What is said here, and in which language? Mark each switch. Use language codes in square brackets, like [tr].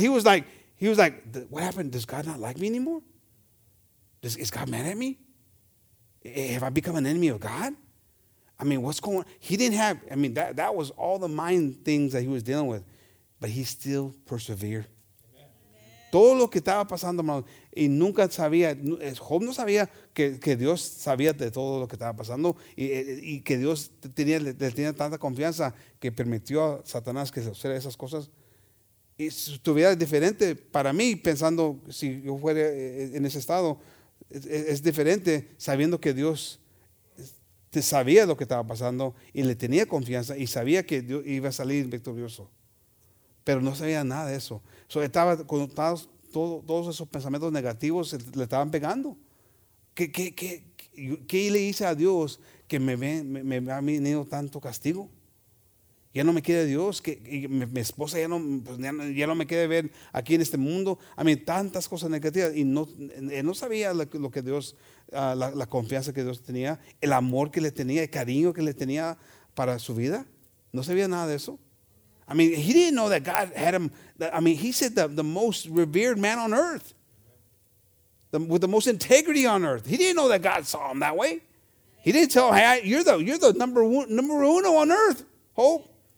[en] He was like, what happened? Does God not like me anymore? Is God mad at me? Have I become an enemy of God? I mean, what's going on? He didn't have, I mean, that was all the mind things that he was dealing with, but he still persevered. Amen. [es] Todo lo que estaba pasando, hermano, y nunca sabía, Job no sabía que Dios sabía de todo lo que estaba pasando y que Dios tenía tanta confianza que permitió a Satanás que se hiciera esas cosas. Y si estuviera diferente para mí, pensando si yo fuera en ese estado, es diferente sabiendo que Dios sabía lo que estaba pasando y le tenía confianza y sabía que Dios iba a salir victorioso. Pero no sabía nada de eso. So estaba con todos esos pensamientos negativos, le estaban pegando. ¿Qué le hice a Dios que me ha venido tanto castigo? ¿Ya no me quiere Dios? ¿Mi esposa ya no me quiere ver aquí en este mundo? A mí tantas cosas negativas. Y no sabía lo que Dios, la confianza que Dios tenía, el amor que le tenía, el cariño que le tenía para su vida. No sabía nada de eso. [en] I mean, he didn't know that God had him. He said the most revered man on earth, with the most integrity on earth. He didn't know that God saw him that way. He didn't tell, hey, you're the number uno on earth, Hope.